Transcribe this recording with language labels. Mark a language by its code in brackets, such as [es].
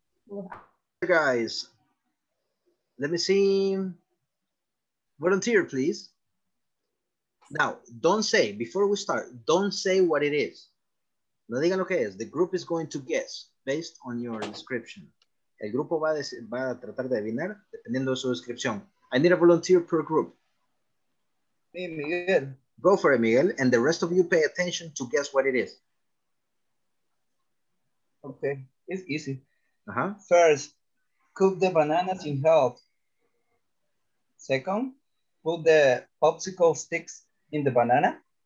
[en] Hey guys, let me see. Volunteer, please. Now, don't say, before we start, don't say what it is. [es] No digan lo que es. [en] The group is going to guess based on your description. [es] El grupo va a tratar de adivinar dependiendo de su descripción. [en] I need a volunteer per group. Hey, Miguel. Go for it, Miguel, and the rest of you pay attention to guess what it is. Okay, it's easy. Uh-huh. First, cook the bananas in half. Second, put the popsicle sticks in the banana.